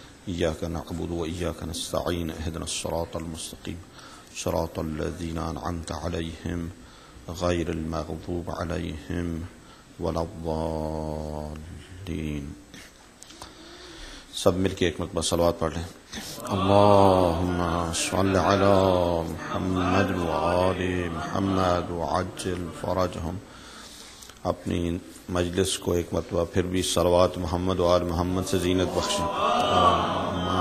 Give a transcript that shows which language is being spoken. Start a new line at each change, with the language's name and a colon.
Arabic: إياك نعبد وإياك نستعين اهدنا الصراط المستقيم صراط الذين أنعمت عليهم غير المغضوب عليهم ولا الضالين.
Urdu: سب مل کے ایک مرتبہ صلوات پڑھ لیں.
Arabic: اللهم صل على محمد وآل محمد وعجل فرجهم.
Urdu: اپنی مجلس کو ایک مرتبہ پھر بھی صلوات محمد وآل محمد سے زینت بخشیں.